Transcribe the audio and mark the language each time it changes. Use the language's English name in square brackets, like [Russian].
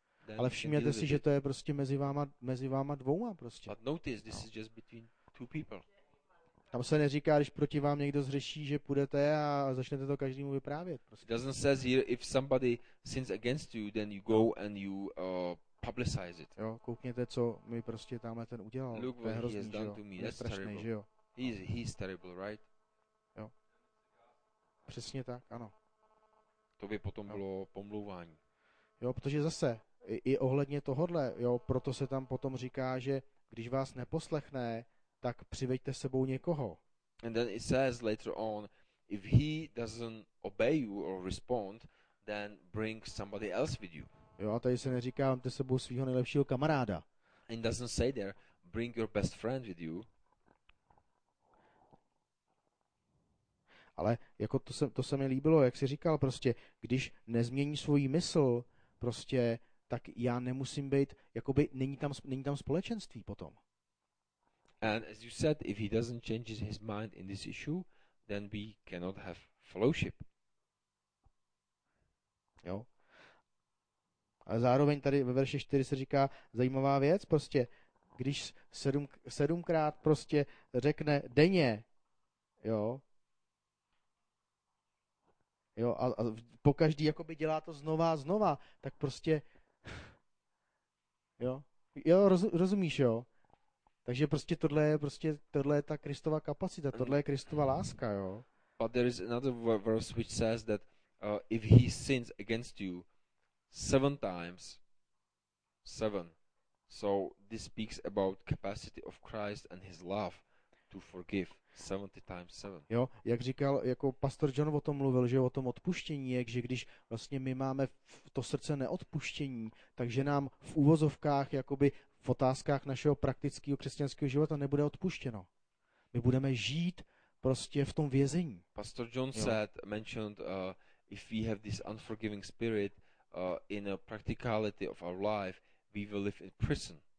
[Czech] Then ale všimněte si, že to je prostě mezi váma dvouma prostě. [English] But notice this is just between two people. [Czech] Tam se neříká, když proti vám někdo zřeší, že půjdete a začnete to každému vyprávět prostě. [English] It doesn't says here if somebody sins against you, then you go and you publicize it. [Czech] Jo, koukněte, co mi prostě tamhle ten udělal. [English] Look what [Czech] to je hrozný, [English] he has done [Czech] jo? [English] to me. That's [Czech] strašný, [English] terrible. He's terrible, right? [Czech] Jo. Přesně tak, ano. To by potom bylo pomlouvání. Jo, protože zase, i ohledně tohodle, jo, proto se tam potom říká, že když vás neposlechne, tak přiveďte sebou někoho. [English] And then it says later on, if he doesn't obey you or respond, then bring somebody else with you. [Czech] Jo, a tady se neříká, vemte sebou svého nejlepšího kamaráda. [English] And it doesn't say there, bring your best friend with you. [Czech] Ale jako to se mi líbilo, jak jsi říkal, prostě, když nezmění svůj mysl, prostě, tak já nemusím být, jakoby není tam společenství potom. [English] And as you said, if he doesn't change his mind in this issue, then we cannot have fellowship. [Czech] Jo. A zároveň tady ve verši 4 se říká zajímavá věc, prostě, když sedmkrát prostě řekne denně, jo, jo, a pokaždý jakoby dělá to znova a znova, tak prostě, jo, rozumíš, jo? Takže prostě tohle je ta Kristova kapacita, tohle je Kristova láska, jo? [English] But there is another verse which says that if he sins against you seven times, so this speaks about capacity of Christ and his love to forgive. 70 times 7. [Czech] Jo, jak říkal, jako pastor John o tom mluvil, že o tom odpuštění je, že když vlastně my máme to srdce neodpuštění, takže nám v úvozovkách, jakoby v otázkách našeho praktického křesťanského života nebude odpuštěno. My budeme žít prostě v tom vězení. [English] Pastor John mentioned if we have this unforgiving spirit in a practicality of our life, we will live in prison.